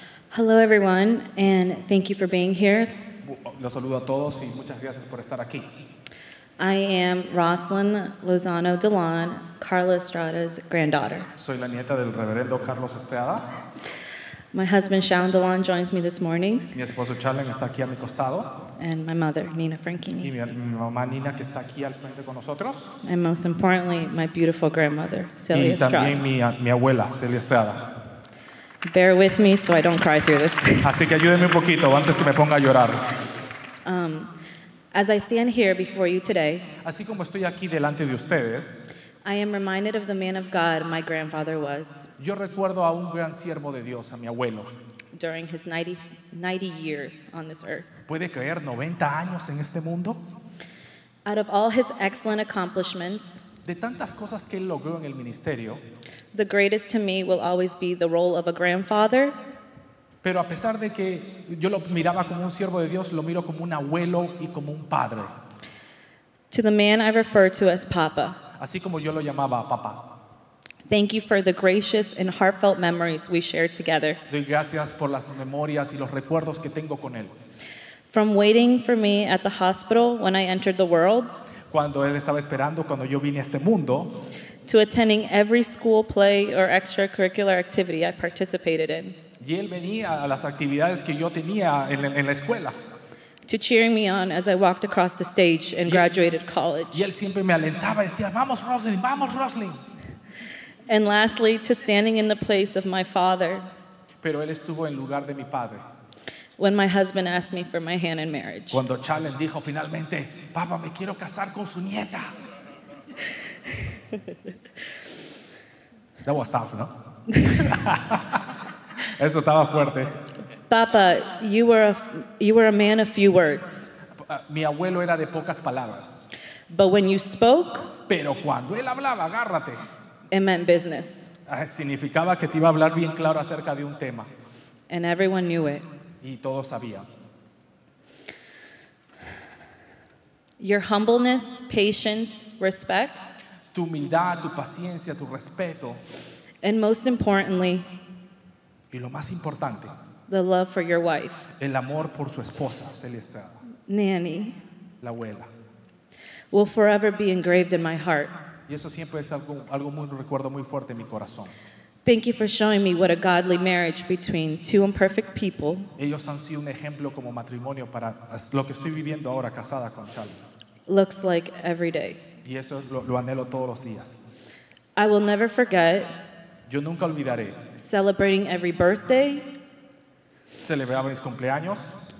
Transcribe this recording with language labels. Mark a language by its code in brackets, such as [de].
[en] Hello everyone, and thank you for being here. [es] Los saludo a todos y muchas gracias por estar aquí. [en] I am Roslyn Lozano Delon, Carla Estrada's granddaughter. [es] Soy la nieta del reverendo Carlos Estrada. [en] My husband Shawn Delon joins me this morning. [es] Mi esposo Charlen está aquí a mi costado. [en] And my mother Nina Franchini. [es] Y mi mamá Nina que está aquí al frente con nosotros. [en] And most importantly, my beautiful grandmother Celia Estrada. [es] Y también Estrada. Mi abuela Celia Estrada. [en] Bear with me so I don't cry through this. [es] Así que ayúdenme un poquito antes que me ponga a llorar. [en] As I stand here before you today, [es] así como estoy aquí delante de ustedes, [en] I am reminded of the man of God my grandfather was. [es] Yo recuerdo a un gran siervo de Dios, a mi abuelo. [en] During his 90 years on this earth. [es] ¿Puede creer 90 años en este mundo? [en] Out of all his excellent accomplishments, [es] de tantas cosas que él logró en el ministerio, [en] the greatest to me will always be the role of a grandfather. [es] Pero a pesar de que yo lo miraba como un siervo de Dios, lo miro como un abuelo y como un padre. [en] To the man I refer to as Papa. [es] Así como yo lo llamaba Papa. [en] Thank you for the gracious and heartfelt memories we share together. [es] Doy gracias por las memorias y los recuerdos que tengo con él. [en] From waiting for me at the hospital when I entered the world. [es] Cuando él estaba esperando cuando yo vine a este mundo. [en] To attending every school play or extracurricular activity I participated in. [es] Y él venía a las actividades que yo tenía en la escuela. [en] To cheering me on as I walked across the stage and graduated college. [es] Y él siempre me alentaba y decía, vamos Roslyn, vamos Roslyn. [en] And lastly, to standing in the place of my father. [es] Pero él estuvo en lugar de mi padre. [en] When my husband asked me for my hand in marriage. [es] Cuando Charlie dijo finalmente, papá, me quiero casar con su nieta. [en] That was tough, no? [es] Eso estaba fuerte. [en] Papa, you were a man of few words. [es] Mi abuelo era de pocas palabras. [en] But when you spoke, [es] pero cuando él hablaba, agárrate. [en] It meant business. [es] Significaba que te iba a hablar bien claro acerca de un tema. [en] And everyone knew it. [es] Y todos sabían. [en] Your humbleness, patience, respect. [es] Tu humildad, tu paciencia, tu respeto. [en] And most importantly, [es] y lo más importante, [en] the love for your wife. [es] El amor por su esposa, Celia Estrada. [en] Nanny. [es] La abuela. [en] Will forever be engraved in my heart. [es] Y eso siempre es algo muy, un recuerdo muy fuerte en mi corazón. [en] Thank you for showing me what a godly marriage between two imperfect people. [es] Ellos han sido un ejemplo como matrimonio para lo que estoy viviendo ahora casada con Charlie. [en] Looks like every day. [es] Y eso lo anhelo todos los días. [en] I will never forget. [es] Yo nunca olvidaré. [en] Celebrating every birthday. [es] Celebraba mis cumpleaños.